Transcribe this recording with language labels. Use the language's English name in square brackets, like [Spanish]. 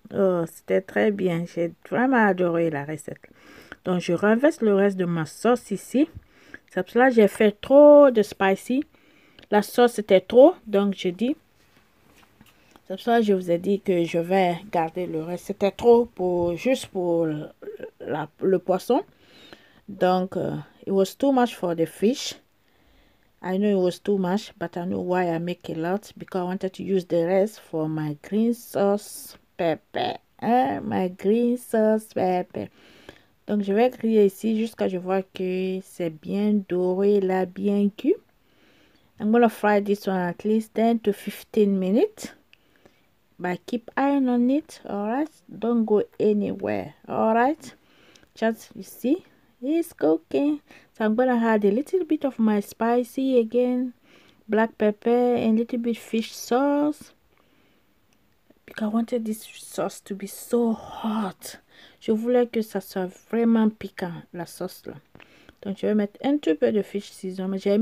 [French] Oh, c'était très bien, j'ai vraiment adoré la recette. Donc je renverse le reste de ma sauce ici. C'est pour cela que j'ai fait trop de spicy, la sauce était trop, donc je dis, c'est pour cela que je vous ai dit que je vais garder le reste. C'était trop pour juste pour le poisson. [English] Donc it was too much for the fish. I know it was too much, but I know why I make a lot, because I wanted to use the rest for my green sauce pepper. Hein? My green sauce pepper. [French] Donc, je vais griller ici jusqu'à ce que je vois que c'est bien doré, là, bien cuit. [English] I'm going to fry this one at least 10 to 15 minutes. But keep eye on it, alright? Don't go anywhere, alright? Just, you see? It's cooking. So I'm gonna add a little bit of my spicy again, black pepper and a little bit fish sauce, because I wanted this sauce to be so hot. [French] Je voulais que ça soit vraiment piquant, la sauce là. Donc je vais mettre un tout peu de fish seasoning.